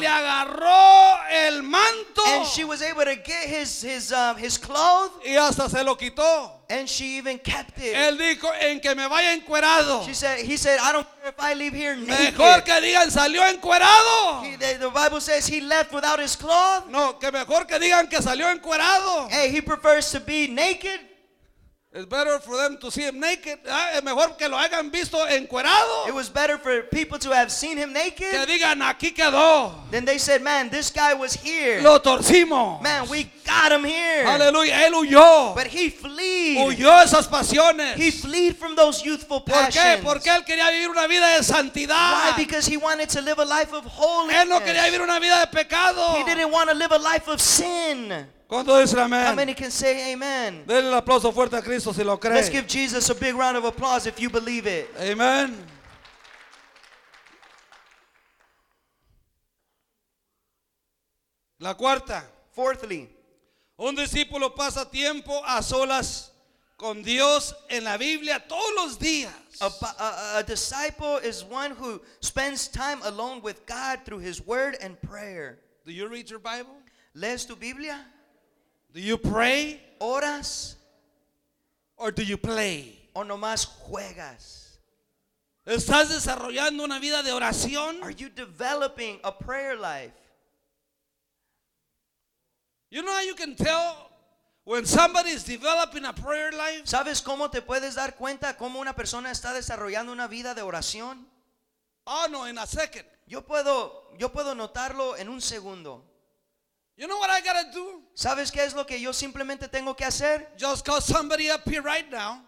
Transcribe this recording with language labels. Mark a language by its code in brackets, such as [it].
[es] Y le agarró el manto. [en] And she was able to get his cloth. [es] Y hasta se lo quitó. [en] And she even kept it. [es] Él dijo, en que me vaya encuerado. [en] He said, I don't care if I leave here naked. [es] Mejor que digan, salió encuerado. [en] The Bible says he left without his cloth. [es] No, que mejor que digan que salió encuerado. [en] Hey, he prefers to be naked. It's better for them to see him naked. [es] Mejor que lo hayan visto encuerado. [en] It was better for people to have seen him naked. [es] Que digan, aquí quedó. [en] Then they said, man, this guy was here. [es] Lo torcimos. [en] Man, we got him here. [es] Hallelujah. Él huyó. [en] But he fleed. [es] Huyó esas pasiones. [en] He fleed from those youthful passions. [es] ¿Por qué? Porque él quería vivir una vida de santidad. [en] Because he wanted to live a life of holiness. [es] Él no quería vivir una vida de pecado. [en] He didn't want to live a life of sin. [es] ¿Cuánto dicen amén? [en] How many can say amen? [es] Denle el aplauso fuerte a Cristo si lo cree. [en] Let's give Jesus a big round of applause if you believe it. Amen. [es] La cuarta. [en] Fourthly. [es] Un discípulo pasa tiempo a solas con Dios en la Biblia todos los días. [en] A disciple is one who spends time alone with God through his word and prayer. Do you read your Bible? [es] ¿Lees tu Biblia? [en] Do you pray? [es] Oras. [en] Or do you play? [es] O nomás juegas. ¿Estás desarrollando una vida de oración? [en] Are you developing a prayer life? You know how you can tell when somebody is developing a prayer life? [es] ¿Sabes cómo te puedes dar cuenta cómo una persona está desarrollando una vida de oración? [en] Oh no, in a second. [es] Yo puedo notarlo en un segundo. [en] You know what I gotta do? [es] ¿Sabes qué es lo que yo simplemente tengo que hacer? [en] Just call somebody up here right now.